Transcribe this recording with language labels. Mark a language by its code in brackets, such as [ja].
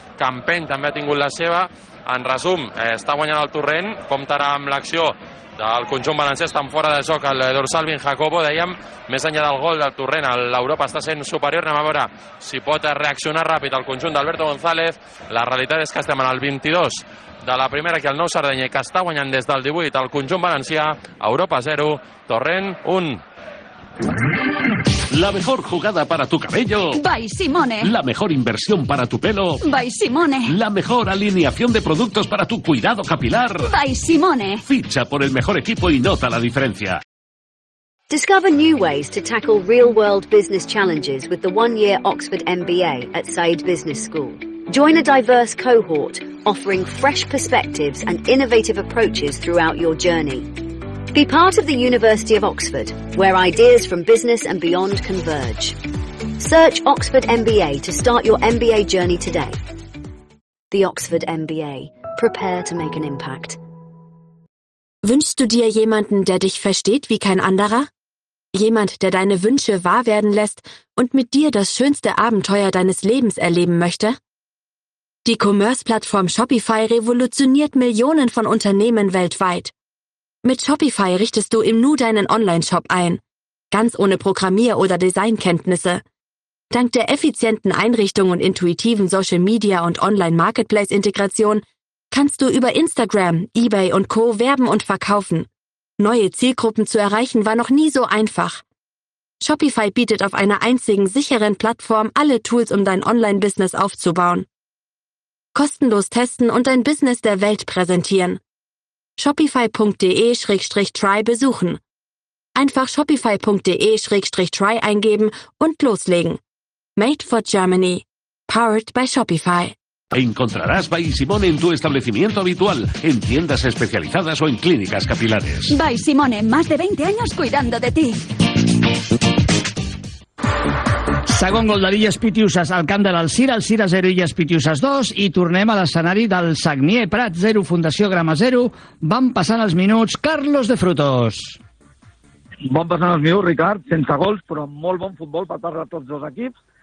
[ca] Campeny també ha tingut la seva. En resum, està guanyant el Torrent, comptarà amb l'acció del conjunt valencià, estan fora de joc el dorsal Vin Jacobo, dèiem, més enllà del gol del Torrent, l'Europa està sent superior. Anem a veure si pot reaccionar ràpid el conjunt d'Alberto González. La realitat és que estem en el 22 de la primera, que el nou Sardenya, que està guanyant des del 18 el conjunt valencià. Europa 0, Torrent 1. [es] La mejor jugada para tu cabello, by Simone. La mejor inversión para tu pelo, by Simone. La mejor alineación de productos para tu cuidado capilar, by Simone. Ficha por el mejor equipo y nota la diferencia. [en] Discover new ways to tackle real-world business challenges with the one-year Oxford MBA at Said Business School. Join a diverse cohort offering fresh perspectives and innovative approaches throughout your journey. Be part of the University of Oxford, where ideas from business and beyond converge. Search Oxford MBA to start your MBA journey today. The Oxford MBA. Prepare to make an impact. [de] Wünschst du dir jemanden, der dich versteht wie kein anderer? Jemand, der deine Wünsche wahr werden lässt und mit dir das schönste Abenteuer deines Lebens erleben möchte? Die Commerce-Plattform Shopify revolutioniert Millionen von Unternehmen weltweit. Mit Shopify richtest du im Nu deinen Online-Shop ein. Ganz ohne Programmier- oder Designkenntnisse. Dank der effizienten Einrichtung und intuitiven Social-Media- und Online-Marketplace-Integration kannst du über Instagram, eBay und Co. werben und verkaufen. Neue Zielgruppen zu erreichen war noch nie so einfach. Shopify bietet auf einer einzigen sicheren Plattform alle Tools, um dein Online-Business aufzubauen. Kostenlos testen und dein Business der Welt präsentieren. Shopify.de/try besuchen. Einfach Shopify.de/try eingeben und loslegen. Made for Germany. Powered by Shopify. [es] Encontrarás By Simone en tu establecimiento habitual, en tiendas especializadas o en clínicas capilares. By Simone, más de 20 años cuidando de ti. [ca] Segon gol de l'Illes Pitiusas al camp de l'Alcira, Alcira 0 Illes Pitiusas 2, i tornem a l'escenari del Sagnier Prat 0 Fundació Grama 0. Van passant els minuts, Carlos de Frutos. Van passant els minuts, Ricard, sense gols, però amb molt bon futbol per part de tots dos equips.